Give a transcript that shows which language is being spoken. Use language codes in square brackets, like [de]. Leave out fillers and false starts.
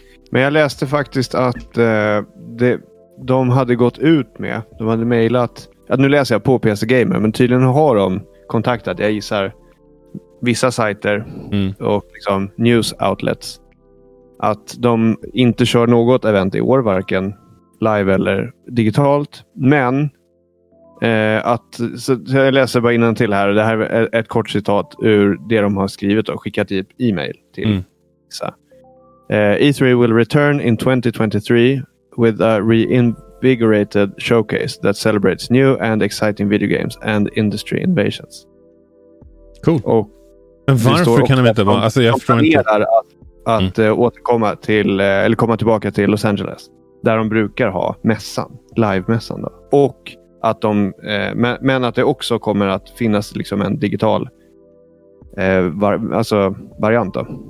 [sv] Men jag läste faktiskt att de hade gått ut med, de hade mejlat, att nu läser jag på PC Gamer, men tydligen har de kontaktat, jag gissar, vissa sajter och liksom [en] news outlets, [sv] att de inte kör något event i år, varken live eller digitalt, men att, så jag läser bara innan till här, det här är ett kort citat ur det de har skrivit och skickat i e-mail till vissa. [en] E3 will return in 2023 with a reinvigorated showcase that celebrates new and exciting video games and industry innovations. Cool. [sv] Och men varför kan de inte vara, alltså jag förstår inte, att återkomma till, eller komma tillbaka till Los Angeles där de brukar ha mässan, live-mässan då, och att de men att det också kommer att finnas liksom en digital alltså variant då.